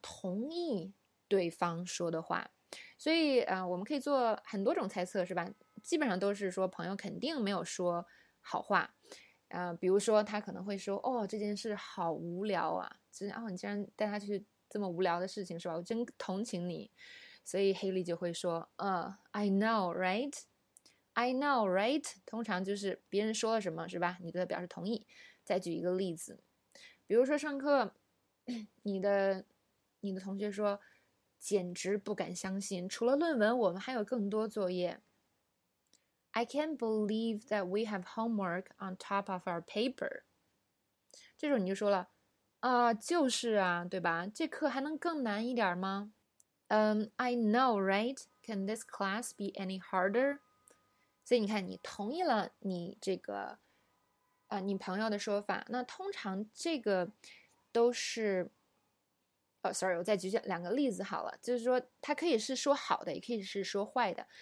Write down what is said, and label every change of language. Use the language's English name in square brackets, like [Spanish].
[Chinese] 同意对方说的话。所以我们可以做很多种猜测，是吧？基本上都是说朋友肯定没有说好话。比如说他可能会说："哦，这件事好无聊啊！真哦，你竟然带他去这么无聊的事情，是吧？我真同情你。" 所以 Haley 就会说： [English] "I know, right？" I know, right？ [Chinese] 通常就是别人说了什么，是吧？你对他表示同意。再举一个例子，比如说上课，你的同学说："简直不敢相信，除了论文，我们还有更多作业。" [English] I can't believe that we have homework on top of our paper。 [Chinese] 这时候你就说了："就是啊，对吧？这课还能更难一点吗？" [English] I know, right？Can this class be any harder？ [Chinese] 所以你看，你同意了你这个，你朋友的说法。那通常这个都是，我再举两个例子好了，就是说它可以是说好的，也可以是说坏的。